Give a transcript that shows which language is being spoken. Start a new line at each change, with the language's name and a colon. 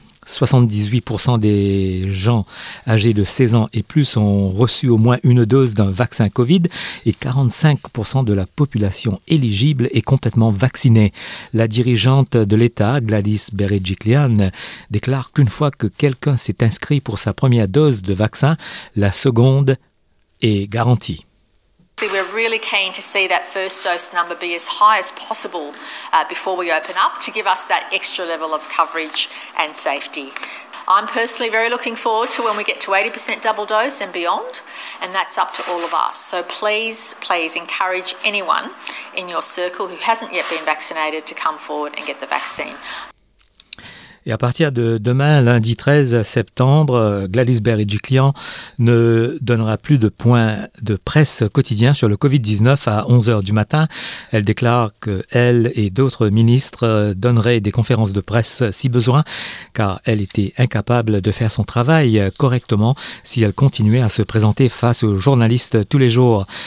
French: 78% des gens âgés de 16 ans et plus ont reçu au moins une dose d'un vaccin Covid et 45% de la population éligible est complètement vaccinée. La dirigeante de l'État, Gladys Berejiklian, déclare qu'une fois que quelqu'un s'est inscrit pour sa première dose de vaccin, la seconde est garantie.
English: We're really keen to see that first dose number be as high as possible before we open up to give us that extra level of coverage and safety. I'm personally very looking forward to when we get to 80% double dose and beyond, and that's up to all of us. So please, please encourage anyone in your circle who hasn't yet been vaccinated to come forward and get the vaccine.
French: Et à partir de demain, lundi 13 septembre, Gladys Berejiklian ne donnera plus de points de presse quotidiens sur le Covid-19 à 11h du matin. Elle déclare qu'elle et d'autres ministres donneraient des conférences de presse si besoin, car elle était incapable de faire son travail correctement si elle continuait à se présenter face aux journalistes tous les jours.